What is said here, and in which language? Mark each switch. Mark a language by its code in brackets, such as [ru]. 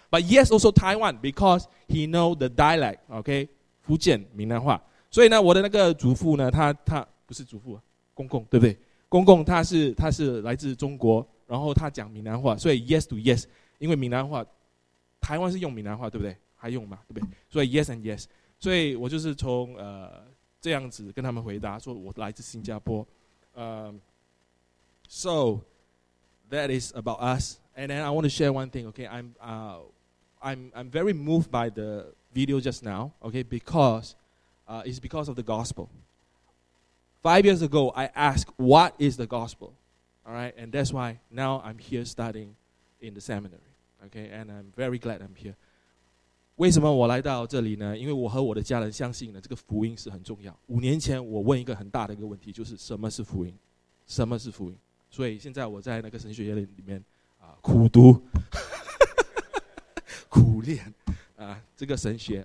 [en] But yes, also Taiwan, because he know the dialect, okay? [zh] 福建闽南话。所以呢，我的那个祖父呢，他不是祖父，公公对不对？公公他是来自中国，然后他讲闽南话，所以 [en] yes to yes， [zh] 因为闽南话，台湾是用闽南话对不对？还用嘛对不对？所以 yes and yes， 所以我就是从这样子跟他们回答说，我来自新加坡， [en] so that is about us， and then I want to share one thing， okay， I'm very moved by the video just now， okay， because。 It's because of the gospel. 5 years ago, I asked, what is the gospel? All right, and that's why now I'm here studying in the seminary. Okay, and I'm very glad I'm here. [zh] 为什么我来到这里呢？因为我和我的家人相信呢，这个福音是很重要。五年前，我问一个很大的一个问题，就是什么是福音？什么是福音？所以现在我在那个神学院里面苦读，苦练这个神学。